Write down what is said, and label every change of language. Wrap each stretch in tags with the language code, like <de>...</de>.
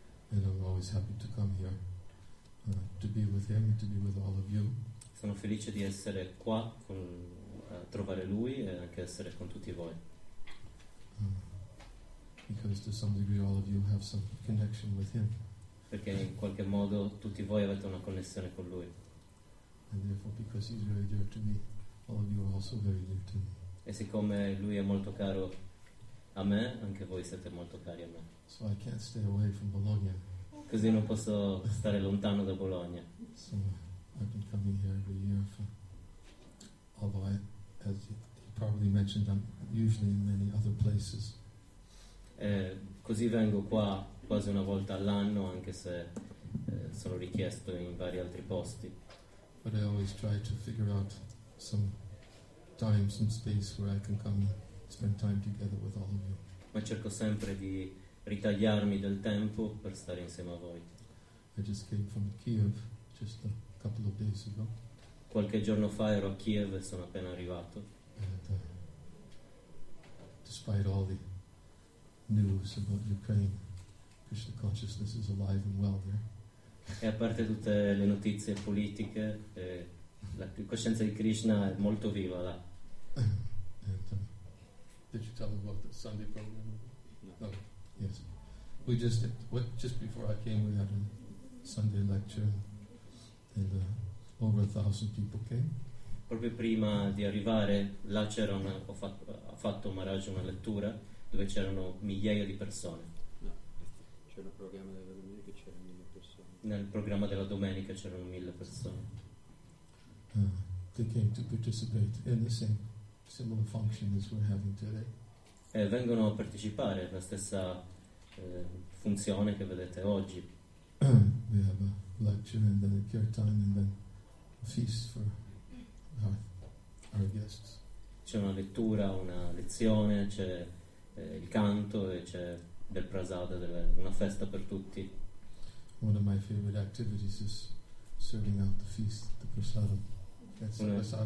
<en>And I'm always happy to come here to be with him and to be with all of you.</en> <it>Sono felice di essere qua con trovare lui e anche essere con tutti voi.</it> <en>Because to some degree all of you have some connection with him.</en> <it>Perché in qualche modo tutti voi avete una connessione con lui.</it> <en>And therefore, because he's very dear to me. All of you are also very dear to me.</en> <it>E siccome lui è molto caro a me, anche voi siete molto cari a me.</it> <en>So I can't stay away from Bologna.</en> <it>Così non posso stare lontano da Bologna.</it> <en>So I've been coming here every year for, although I, as he probably mentioned, I'm usually in many other places.</en> <it>Così vengo qua quasi una volta all'anno, anche se sono richiesto in vari altri posti.</it> <en>But I always try to figure out some time, some space where I can come and spend time together with all of you.</en> <it>Ma cerco sempre di ritagliarmi del tempo per stare insieme a voi.</it> <en>I just came from Kiev just a couple of days ago.</en> <it>Qualche giorno fa ero a Kiev e sono appena arrivato.</it> <en>And, despite all the news about Ukraine, Krishna consciousness is alive and well there.</en> <it>E a parte tutte le notizie politiche, la coscienza di Krishna è molto viva là.</it> <en>And, did you tell about the Sunday program? No. Yes. We just did, just before I came, we had a Sunday lecture, and over 1,000 people came.</en> <it>Proprio prima di arrivare là c'era una, ha fatto Maharaj una lettura dove c'erano migliaia di persone. No, c'era un programma della domenica, c'erano 1,000 persone. Nel programma della domenica c'erano 1,000 persone.</it> <en>They came to participate in the same similar function as we're having today.</en> <it>E vengono a partecipare alla stessa funzione che vedete oggi.</it> <en>We have a lecture and then a kirtan and then a feast for our guests.</en> <it>C'è una lettura, una lezione, c'è il canto e c'è del prasada, una festa per tutti.</it> <en>One of my favorite activities is serving out the feast, the prasada.</en>